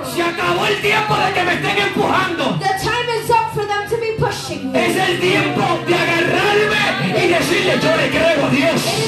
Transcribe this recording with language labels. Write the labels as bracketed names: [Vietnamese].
[Spanish] Acabó el tiempo de que me estén empujando. [English] The time is up for them to be pushing me. [Spanish] Es el tiempo de agarrarme y decirle yo le creo a Dios.